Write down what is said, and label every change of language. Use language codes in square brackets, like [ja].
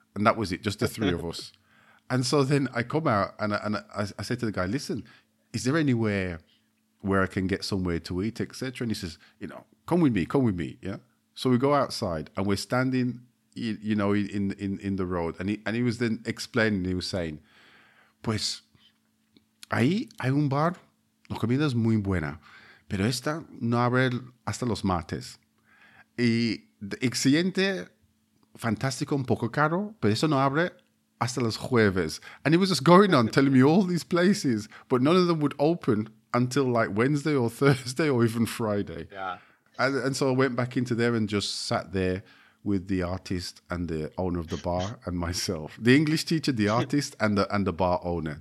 [en] And that was it, just the three of us. And so then I come out and I say to the guy, listen, is there anywhere where I can get somewhere to eat, etc.? And he says, you know, come with me. Yeah. So we go outside and we're standing, you know, in the road. And he was then explaining, he was saying, [es] pues ahí hay un bar, la comida es muy buena, pero esta no abre hasta los martes. Y el siguiente, fantástico, un poco caro, pero eso no abre hasta los jueves. [en] And he was just going on telling me all these places, but none of them would open until like Wednesday or Thursday or even Friday. Yeah. And so I went back into there and just sat there with the artist and the owner of the bar and myself. The English teacher, the artist, and the bar owner.